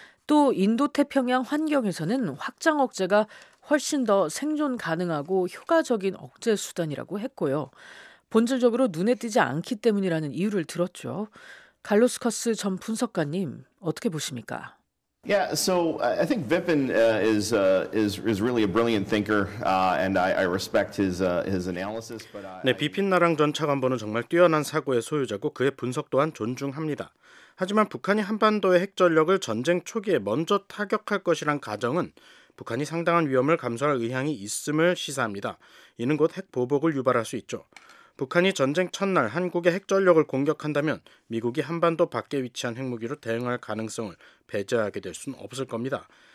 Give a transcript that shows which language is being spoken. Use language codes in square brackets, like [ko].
[ko] 또 인도태평양 환경에서는 확장 억제가 훨씬 더 생존 가능하고 효과적인 억제 수단이라고 했고요. 본질적으로 눈에 띄지 않기 때문이라는 이유를 들었죠. 칼로스커스 전 분석가님, 어떻게 보십니까? [en] Yeah, so I think Vipin is really a brilliant thinker, and I respect his analysis. But [ko] 네, 비핀 나랑 전 차관보는 정말 뛰어난 사고의 소유자고 그의 분석 또한 존중합니다. 하지만 북한이 한반도의 핵전력을 전쟁 초기에 먼저 타격할 것이란 가정은 북한이 상당한 위험을 감수할 의향이 있음을 시사합니다. 이는 곧 핵 보복을 유발할 수 있죠. 북한이 전쟁 첫날 한국의 핵전력을 공격한다면 미국이 한반도 밖에 위치한 핵무기로 대응할 가능성을 배제하게 될 수는 없을 겁니다.